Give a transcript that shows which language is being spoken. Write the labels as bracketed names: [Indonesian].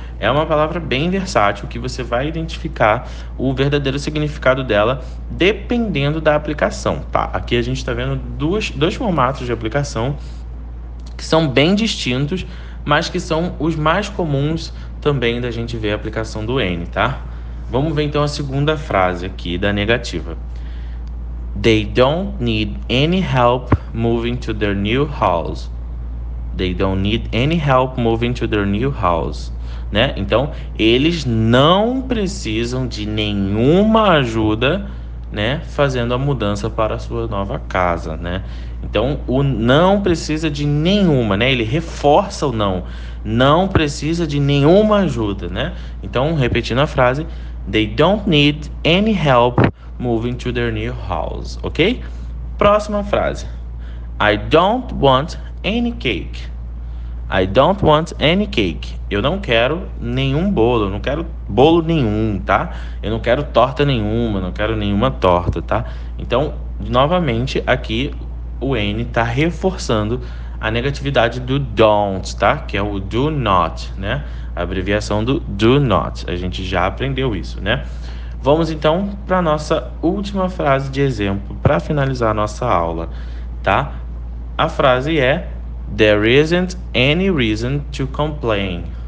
[Portuguese] É uma palavra bem versátil que você vai identificar o verdadeiro significado dela dependendo da aplicação, tá? Aqui a gente está vendo dois formatos de aplicação que são bem distintos, mas que são os mais comuns também da gente ver a aplicação do N, tá? Vamos ver então a segunda frase aqui da negativa. [English] They don't need any help moving to their new house. They don't need any help moving to their new house, né? [Portuguese] Então, eles não precisam de nenhuma ajuda, né, fazendo a mudança para a sua nova casa, né? Então, o não precisa de nenhuma, né? Ele reforça o não. Não precisa de nenhuma ajuda, né? Então, repetindo a frase, [English] they don't need any help moving to their new house, [Portuguese] ok? Próxima frase. [English] I don't want any cake. I don't want any cake. [Portuguese] Eu não quero nenhum bolo, eu não quero bolo nenhum, tá? Eu não quero torta nenhuma, não quero nenhuma torta, tá? Então, novamente, aqui o N está reforçando a negatividade do don't, tá? Que é o do not, né? A abreviação do do not. A gente já aprendeu isso, né? Vamos então para a nossa última frase de exemplo para finalizar a nossa aula, tá? A frase é: [English] There isn't any reason to complain.